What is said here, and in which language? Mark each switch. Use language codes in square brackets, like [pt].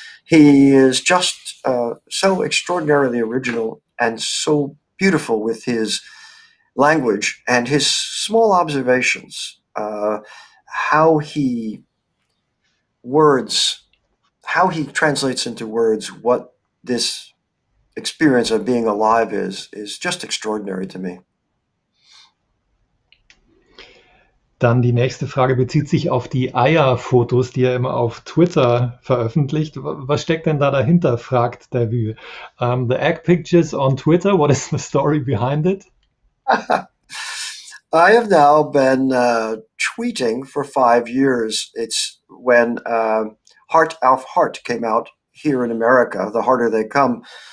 [en] He is just so extraordinarily original and so beautiful with his language and his small observations. How he words, how he translates into words what this experience of being alive is just extraordinary to me. [de] Dann die nächste Frage bezieht sich auf die Eierfotos, die er immer auf Twitter veröffentlicht. Was steckt denn da dahinter? Fragt der Vue. [en] The egg pictures on Twitter, what is the story behind it? I have now been tweeting for 5 years. It's when Heart Auf Heart came out here in America, The Harder They Come.